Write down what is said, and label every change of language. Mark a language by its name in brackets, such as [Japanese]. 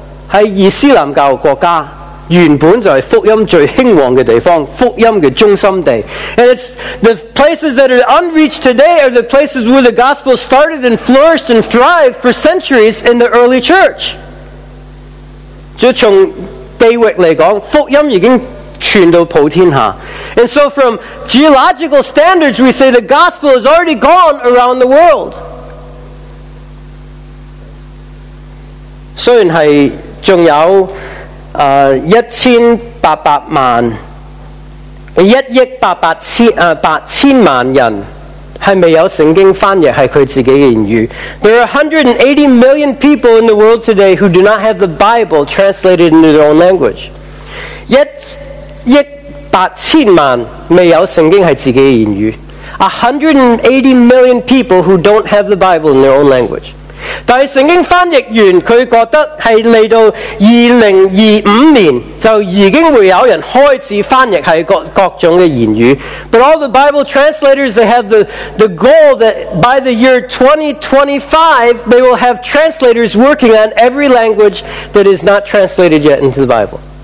[Chinese] 在伊斯兰教国家, 原本就是福音最兴旺的地方, 福音的中心地. [English] And it's the places that are unreached today are the places where the gospel started and flourished and thrived for centuries in the early church. [Chinese] 就从地域来讲, 福音已经传到普天下. [English] And so from geological standards, we say the gospel has already gone around the world. [Chinese] 虽然是还有 1,800,000 [English] There are 180 million people in the world today who do not have the Bible translated into their own language. 1,800,000 180 million people who don't have the Bible in their own language. [Chinese] 但是圣经翻译员他觉得是来到2025年就已经会有人开始翻译各种的言语 [English] But all the Bible translators, they have the goal that by the year 2025 they will have translators working on every language that is not translated yet into the Bible.